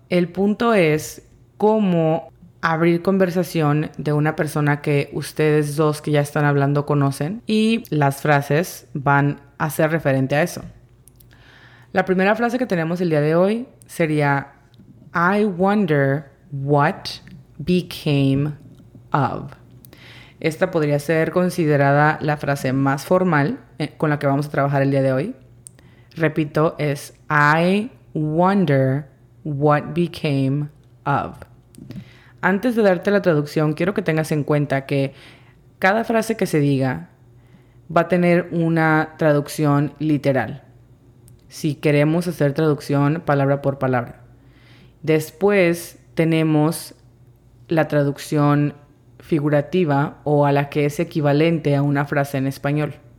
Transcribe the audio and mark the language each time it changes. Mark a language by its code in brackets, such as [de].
[es] El punto es cómo abrir conversación de una persona que ustedes dos que ya están hablando conocen y las frases van a ser referente a eso. La primera frase que tenemos el día de hoy sería [en] I wonder what became of. [es] Esta podría ser considerada la frase más formal con la que vamos a trabajar el día de hoy. Repito, es [en] I wonder what became of. [es] Antes de darte la traducción, quiero que tengas en cuenta que cada frase que se diga va a tener una traducción literal. Si queremos hacer traducción palabra por palabra. Después tenemos la traducción figurativa o a la que es equivalente a una frase en español.